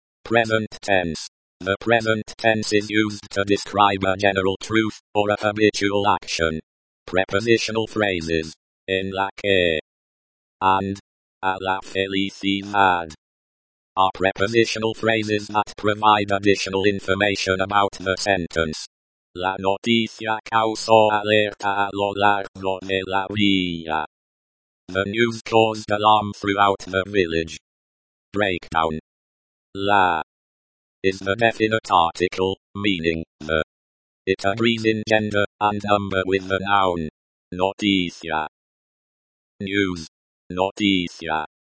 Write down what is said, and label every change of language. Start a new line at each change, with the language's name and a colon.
English: Present tense. The present tense is used to describe a general truth or a habitual action. Prepositional phrases.
Spanish: En la que.
English: And.
Spanish: A la felicidad.
English: Are prepositional phrases that provide additional information about the sentence.
Spanish: La noticia causó alerta a lo largo de la vía.
English: The news caused alarm throughout the village. Breakdown. La is the definite article, meaning the. It agrees in gender and number with the noun. Noticia. News. Noticia.